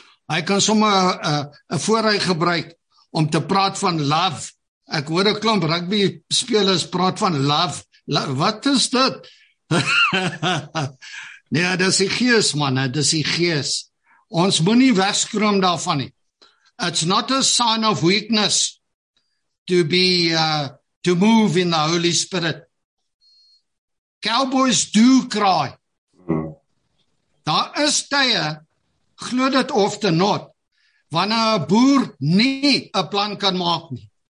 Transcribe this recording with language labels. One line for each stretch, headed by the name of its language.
Afrikaans: Hy kan sommer 'n voorreg gebruik om te praat van love. Ek hoor 'n klomp rugby spelers praat van love. Wat is dit? Nee, dis die gees, man. Dis die gees. Ons moet nie wegskroom daarvan nie.
English: It's not a sign of weakness to be to move in the Holy Spirit. Cowboys do cry.
Afrikaans: Daar is tye, glo dit of te not, wanneer 'n boer nie 'n plan kan maak nie.